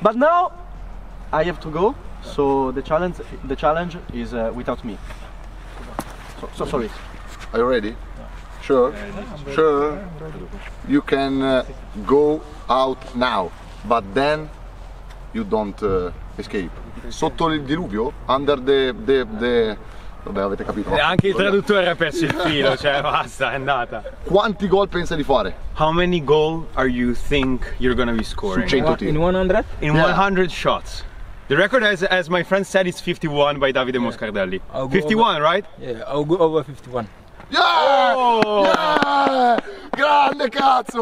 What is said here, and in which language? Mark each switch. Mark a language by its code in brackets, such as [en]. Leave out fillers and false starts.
[en] But now, I have to go. So the challenge is without me. So sorry. Are you ready? No. Sure. Ready. Sure. Ready. You can go out now, but then you don't escape. [it] Sotto il diluvio, [en] under the [it] vabbè, avete capito. E anche il traduttore ha perso il filo, cioè basta, è andata. Quanti gol pensa di fare? [en] How many goal are you think you're gonna be scoring? [it] Su 100 tiri. [en] In 100? In yeah. 100 shots. The record, as my friend said, is 51 by Davide yeah. Moscardelli. 51, over, right? Yeah, I'll go over 51. Yeah! Oh! [it] Yeah! Grande cazzo!